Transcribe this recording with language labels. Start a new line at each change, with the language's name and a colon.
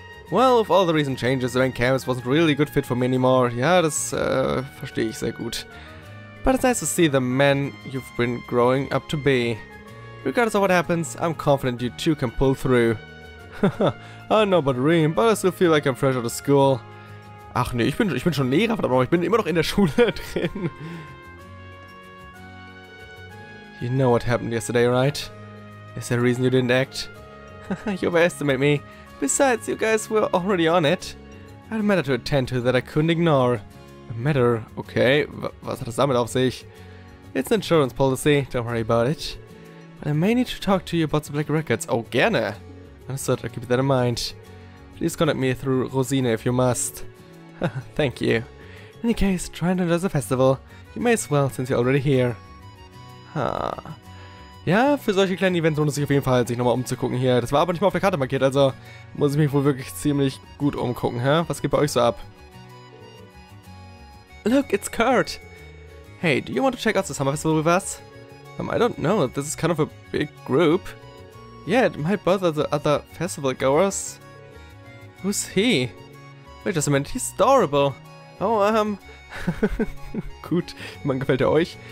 English: Well, with all the recent changes, the rank campus wasn't really a good fit for me anymore.
German: Ja, das verstehe ich sehr gut.
English: But it's nice to see the man you've been growing up to be. Regardless of what happens, I'm confident you two can pull through. Haha, I don't know about Reem, but I still feel like I'm fresh out of school.
German: Ach nee, ich bin schon Lehrer, verdammt, aber ich bin immer noch in der Schule drin.
English: You know what happened yesterday, right? Is there a reason you didn't act? You overestimate me. Besides, you guys were already on it. I had a matter to attend to that I couldn't ignore. A matter?
German: Okay, was hat das damit auf sich?
English: It's an insurance policy, don't worry about it. But I may need to talk to you about the Black Records.
German: Oh, gerne!
English: Understood, I'll keep that in mind. Please contact me through Rosina if you must. Thank you. In any case, try and enjoy the festival. You may as well, since you're already here.
German: Ja, für solche kleinen Events lohnt es sich auf jeden Fall, sich nochmal umzugucken hier. Das war aber nicht mal auf der Karte markiert, also muss ich mich wohl wirklich ziemlich gut umgucken, hä? Was geht bei euch so ab?
English: Look, it's Kurt! Hey, do you want to check out the Summer Festival with us? I don't know, this is kind of a big group. Yeah, it might bother the other festival goers. Who's he? Wait just a minute, he's adorable!
German: Gut, man gefällt er euch.